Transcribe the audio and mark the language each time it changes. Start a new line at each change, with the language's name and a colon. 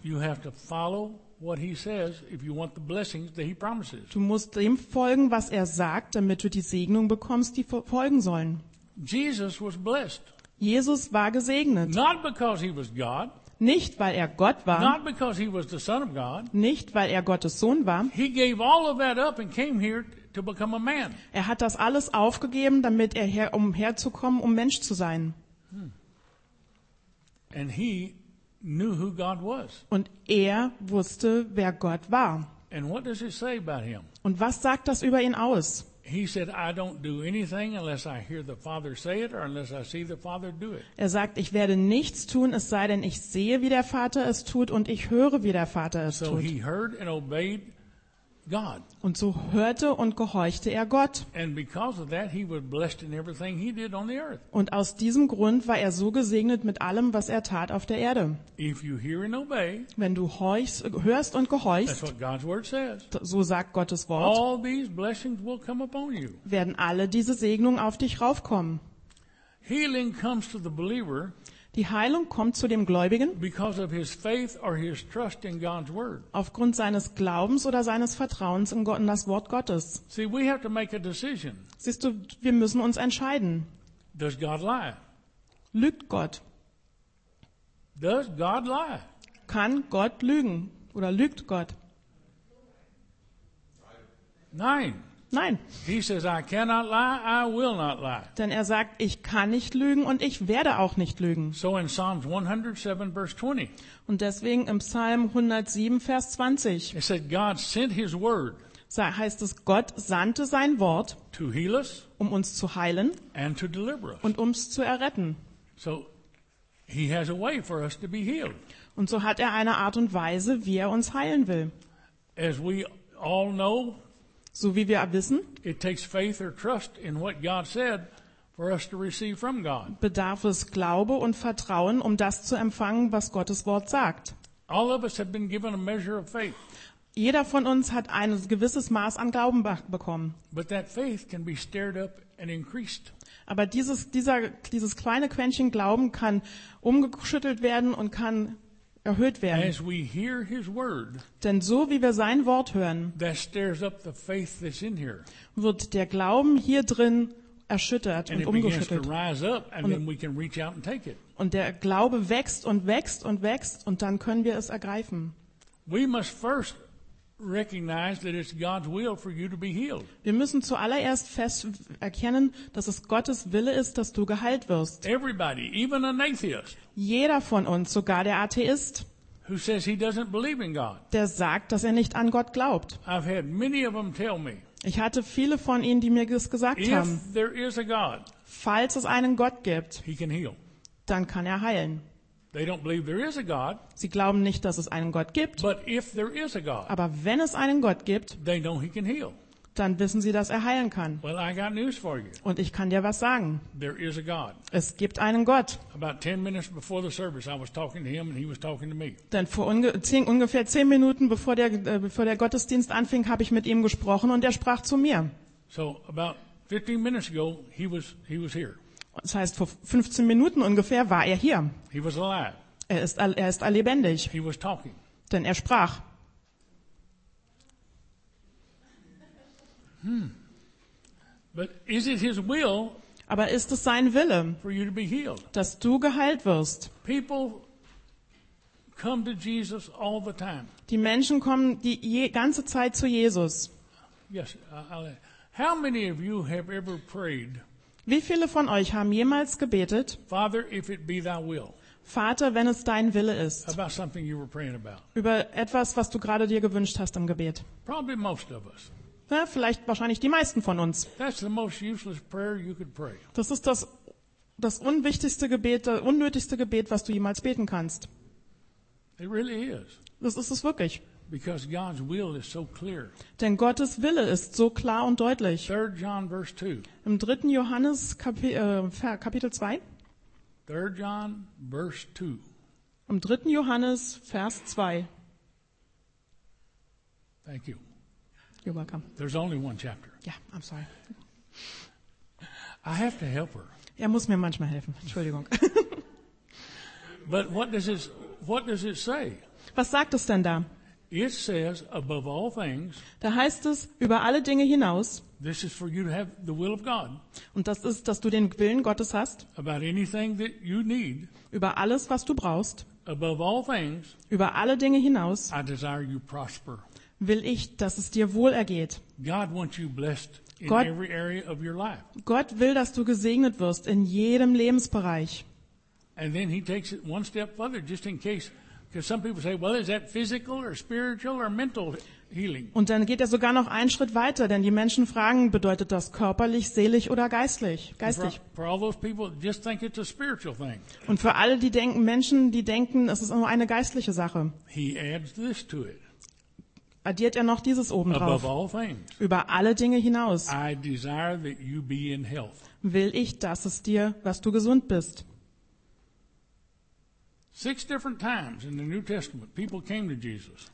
English: You have to follow what he says if you want the blessings that he promises.
German: Du musst dem folgen, was er sagt, damit du die Segnung bekommst, die folgen sollen.
English: Jesus was blessed.
German: Jesus war gesegnet.
English: Not because he was God.
German: Nicht weil er Gott war.
English: Not because he was the Son of God.
German: Nicht weil er Gottes Sohn war.
English: He gave all of that up and came here to become a man.
German: Er hat das alles aufgegeben, damit er herzukommen, um Mensch zu sein.
English: And he knew who God was.
German: Und er wusste, wer Gott war.
English: And what does it say about him?
German: Und was sagt das über ihn aus?
English: He said, I don't do anything unless I hear the Father say it or unless I see the Father do it.
German: Er sagt, ich werde nichts tun, es sei denn, ich sehe, wie der Vater es tut und ich höre, wie der Vater es tut.
English: So he heard and obeyed God.
German: Und so hörte und gehorchte er Gott.
English: And because of that, he was blessed in everything he did on the earth.
German: Und aus diesem Grund war er so gesegnet mit allem, was er tat auf der Erde.
English: If you hear and obey,
German: wenn du hörst und gehorchst,
English: that's what God's word says,
German: so sagt Gottes Wort,
English: all these blessings will come upon you.
German: Werden alle diese Segnungen auf dich raufkommen.
English: Healing comes to the believer.
German: Die Heilung kommt zu dem Gläubigen
English: because of his faith or his trust in God's word.
German: Aufgrund seines Glaubens oder seines Vertrauens in Gott, in das Wort Gottes.
English: See, we have to make a decision.
German: Siehst du, wir müssen uns entscheiden.
English: Does God lie?
German: Lügt Gott?
English: Does God lie?
German: Kann Gott lügen oder lügt Gott? Nein. Nein.
English: He says, I cannot lie, I will not lie.
German: Denn er sagt, ich kann nicht lügen und ich werde auch nicht lügen.
English: So in Psalms 107, verse 20.
German: Und deswegen im Psalm 107, Vers 20.
English: It said, God sent his word.
German: Heißt es, Gott sandte sein Wort,
English: to heal us,
German: um uns zu heilen
English: and to deliver us.
German: Und uns zu erretten.
English: So he has a way for us to be healed.
German: Und so hat er eine Art und Weise, wie er uns heilen will.
English: As we all know,
German: so wie wir wissen,
English: it takes faith or trust in what God said for us to receive from God.
German: Bedarf es Glaube und Vertrauen, um das zu empfangen, was Gottes Wort sagt.
English: All of us have been given a measure of faith.
German: Jeder von uns hat ein gewisses Maß an Glauben bekommen.
English: But that faith can be stirred up and increased.
German: Aber dieses kleine Quäntchen Glauben kann umgeschüttelt werden und kann erhöht werden.
English: As we hear his word,
German: denn so wie wir sein Wort hören,
English: that stirs up the faith that's in here.
German: Wird der Glauben hier drin erschüttert und umgeschüttelt.
English: And it begins to rise up, and then we can reach out and take it.
German: Und der Glaube wächst und wächst und wächst und dann können wir es ergreifen.
English: We must first recognize that it's God's will for you to be healed.
German: Wir müssen zuallererst fest erkennen, dass es Gottes Wille ist, dass du geheilt wirst.
English: Everybody, even an atheist.
German: Jeder von uns, sogar der Atheist.
English: Who says he doesn't believe in God?
German: Der sagt, dass er nicht an Gott glaubt.
English: I've had many of them tell me.
German: Ich hatte viele von ihnen, die mir das gesagt
English: if
German: haben.
English: There is a God,
German: falls es einen Gott gibt,
English: he can heal.
German: Dann kann er heilen.
English: They don't believe there is a God.
German: Sie glauben nicht, dass es einen Gott gibt.
English: But if there is a God,
German: aber wenn es einen Gott gibt,
English: they know he can heal.
German: Dann wissen sie, dass er heilen kann.
English: Well, I got news for you.
German: Und ich kann dir was sagen.
English: There is a God.
German: Es gibt einen Gott.
English: About 10 minutes before the service, I was talking to him and he was talking to me.
German: Denn vor ungefähr 10 Minuten, bevor der Gottesdienst anfing, habe ich mit ihm gesprochen und er sprach zu mir.
English: So about 15 minutes ago, he was here.
German: Das heißt, vor 15 Minuten ungefähr war er hier.
English: He was alive.
German: Er ist lebendig.
English: He was talking.
German: Denn er sprach.
English: But is it his will,
German: aber ist es sein Wille,
English: for you to be healed?
German: Dass du geheilt wirst?
English: People come to Jesus all the time.
German: Die Menschen kommen die ganze Zeit zu Jesus.
English: Yes, how many of you have ever prayed?
German: Wie viele von euch haben jemals gebetet,
English: Father, if it be thy will,
German: Vater, wenn es dein Wille ist,
English: about something you were praying about.
German: Über etwas, was du gerade dir gewünscht hast im Gebet?
English: Probably most of us.
German: Ja, vielleicht wahrscheinlich die meisten von uns.
English: That's the most useless prayer you could pray.
German: Das ist das unwichtigste Gebet, das unnötigste Gebet, was du jemals beten kannst.
English: It really is.
German: Das ist es wirklich.
English: Because God's will is so clear.
German: Denn Gottes Wille ist so klar und deutlich.
English: 3. John, verse 2.
German: Im 3. Johannes Kapitel 2.
English: 3. John, verse 2.
German: Im 3. Johannes Vers 2.
English: Thank you. You're welcome. There's only one chapter. Yeah, I'm sorry. I have to help her.
German: Er muss mir manchmal helfen. Entschuldigung.
English: But what does it say?
German: Was sagt es denn da?
English: It says above all things.
German: Da heißt es über alle Dinge hinaus.
English: This is for you to have the will of God.
German: Und das ist, dass du den Willen Gottes hast.
English: About anything that you need.
German: Über alles, was du brauchst.
English: Above all things.
German: Über alle Dinge hinaus.
English: I desire you prosper.
German: Will ich, dass es dir wohl ergeht.
English: God wants you blessed in Gott, every area of your life.
German: Gott will, dass du gesegnet wirst in jedem Lebensbereich.
English: And then he takes it one step further, just in case. Because some people say, well, is that physical or spiritual or mental healing?
German: Und dann geht er sogar noch einen Schritt weiter, denn die Menschen fragen, bedeutet das körperlich, seelisch oder geistig?
English: For all those people just think it's a spiritual thing.
German: Und für alle die denken, Menschen, die denken, es ist nur eine geistliche Sache.
English: He adds this to it.
German: Addiert er noch dieses obendrauf.
English: Above all things.
German: Über alle Dinge hinaus.
English: I desire that you be in health.
German: Will ich, dass es dir, was du gesund bist.
English: 6 different times in the New Testament people came to Jesus.